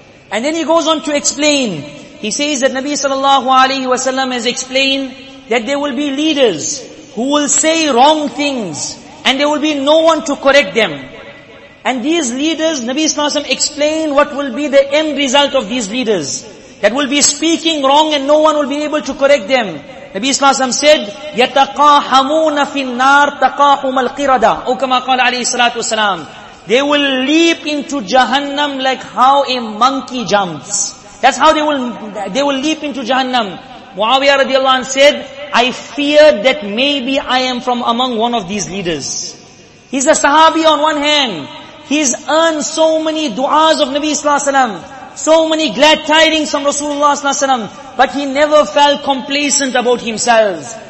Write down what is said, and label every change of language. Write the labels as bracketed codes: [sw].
[en] And then he goes on to explain. He says that Nabi sallallahu alayhi wa sallam has explained that there will be leaders who will say wrong things and there will be no one to correct them. And these leaders, Nabi sallallahu alayhi wa sallam explained what will be the end result of these leaders that will be speaking wrong and no one will be able to correct them. Nabi sallallahu alayhi wa sallam said, [ar] يَتَقَاحَمُونَ فِي النَّارِ تَقَاحُمَ الْقِرَدَةِ كَمَا قَالَ عَلَيْهِ السَّلَاةُ وَسَلَامُ. [en] They will leap into Jahannam like how a monkey jumps. That's how they will leap into Jahannam. Muawiyah radiallahu anhu said, I feared that maybe I am from among one of these leaders. He's a sahabi on one hand. He's earned so many du'as of Nabi sallallahu alayhi wa sallam, so many glad tidings from Rasulullah sallallahu alayhi wa sallam, but he never felt complacent about himself.